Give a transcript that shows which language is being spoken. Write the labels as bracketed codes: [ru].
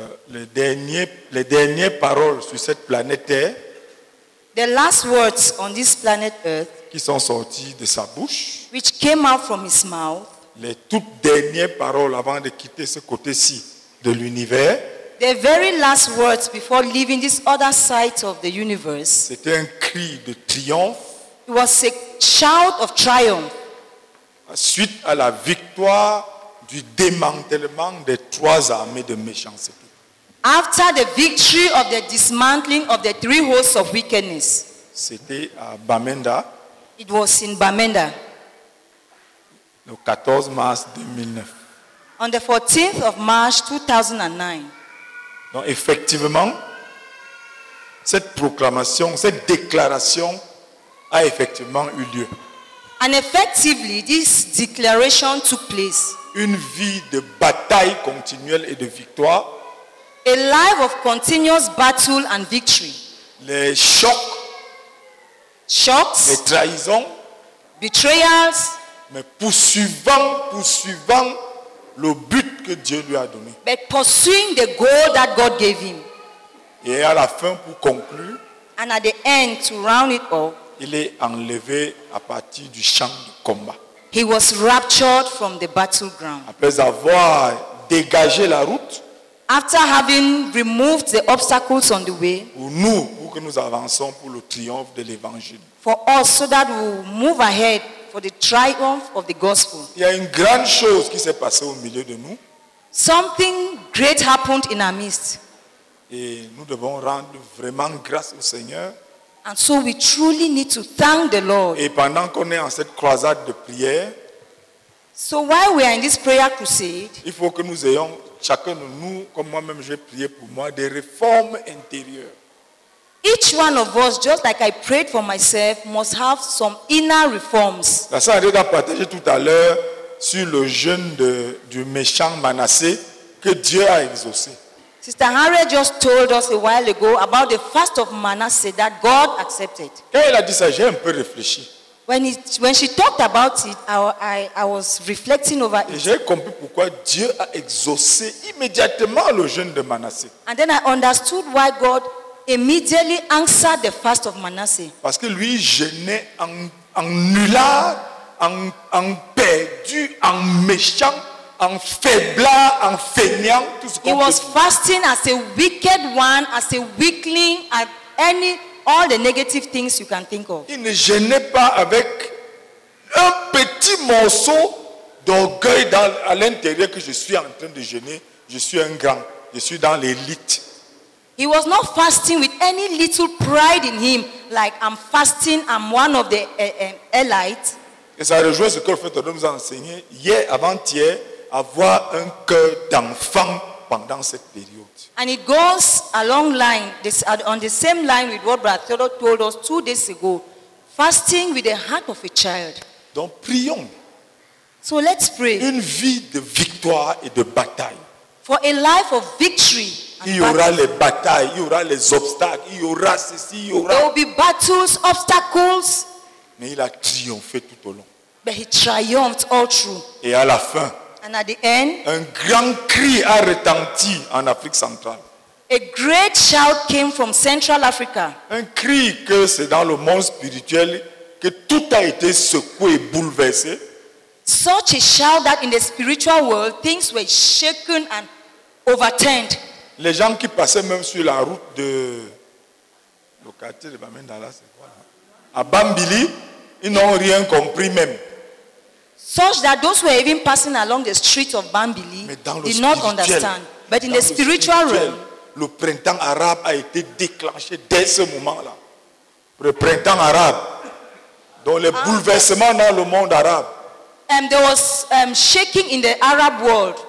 [fr] Les dernières paroles sur cette planète Terre, [en] the last words on this planet Earth, [fr] qui sont sorties de sa bouche, [en] which came out from his mouth, [fr] les toutes dernières paroles avant de quitter ce côté-ci de l'univers, [en] the very last words before leaving this other side of the universe, [fr] c'était un cri de triomphe. [en] It was a shout of triumph. [fr] Suite à la victoire du démantèlement des trois armées de méchanceté. [en] After the victory of the dismantling of the three hosts of wickedness. [fr] C'était à Bamenda. [en] It was in Bamenda. [fr] Le 14 mars 2009. [en] On the 14th of March 2009. [fr] Donc effectivement, cette proclamation, cette déclaration a effectivement eu lieu. [en] And effectively, this declaration took place. [fr] Une vie de bataille continuelle et de victoire. [en] A life of continuous battle and victory. [fr] Les chocs. [en] Shocks. [fr] Les trahisons. [en] Betrayals. [fr] Mais poursuivant le but que Dieu lui a donné. [en] But pursuing the goal that God gave him. [fr] Et à la fin, pour conclure. [en] And at the end, to round it all. [fr] Il est enlevé à partir du champ de combat. [en] He was raptured from the battleground. [fr] Après avoir dégagé la route. [en] After having removed the obstacles on the way. [fr] Pour que nous avançons pour le triomphe de l'évangile. [en] For us, so that we will move ahead. For the triumph of the gospel. [fr] Il y a une grande chose qui s'est passée au milieu de nous. [en] Something great happened in our midst. [fr] Et nous devons rendre vraiment grâce au Seigneur. [en] And so we truly need to thank the Lord. [fr] Et pendant qu'on est en cette croisade de prière. [en] So while we are in this prayer crusade. [fr] Il faut que nous ayons chacun de nous, comme moi-même j'ai prié pour moi, des réformes intérieures. [en] Each one of us, just like I prayed for myself, must have some inner reforms. [fr] La sœur Henriette a partagé tout à l'heure sur le jeûne du méchant Manassé que Dieu a exaucé. [en] Sister Henriette just told us a while ago about the fast of Manasseh that God accepted. [fr] Quand elle a dit ça, j'ai un peu réfléchi. [en] When she talked about it, I was reflecting over it. [fr] Et j'ai compris pourquoi Dieu a exaucé immédiatement le jeûne de Manassé. [en] And then I understood why God immediately answered the fast of Manasseh. [fr] Parce que lui jeûnait en nulard, en perdu, en méchant, en faiblant, en feignant tout ce qu'on peut. [en] He was fasting as a wicked one, as a weakling, at any all the negative things you can think of. [fr] Il ne gênait pas avec un petit morceau d'orgueil dans à l'intérieur que je suis en train de gêner. Je suis un grand. Je suis dans l'élite. [en] He was not fasting with any little pride in him, like I'm fasting, I'm one of the élite. [fr] Et ça rejoint ce que le fait de nous enseigner hier, avant-hier, avoir un cœur d'enfant pendant cette période. [en] And it goes along line, this, on the same line with what Brother Theodore told us 2 days ago, fasting with the heart of a child. [fr] Donc prions. [en] So let's pray. [fr] Une vie de victoire et de bataille. [en] For a life of victory. [fr] Il y aura les batailles, il y aura les obstacles, il y aura ceci, il y aura. [en] There will be battles, obstacles. [fr] Mais il a triomphé tout au long. [en] But he triumphed all through. [fr] Et à la fin. [en] And at the end. [fr] Un grand cri a retenti en Afrique centrale. [en] A great shout came from Central Africa. [fr] Un cri que c'est dans le monde spirituel que tout a été secoué et bouleversé. [en] Such a shout that in the spiritual world things were shaken and overturned. [fr] Les gens qui passaient même sur la route de le quartier de Bamendala, c'est quoi là? À Bambili, ils n'ont rien compris même. [en] Such that those who were even passing along the streets of Bambili did not understand. But in the spiritual realm, [fr] le printemps arabe a été déclenché dès ce moment-là. Le printemps arabe, dont les bouleversements dans le monde arabe. [en] And there was shaking in the Arab world.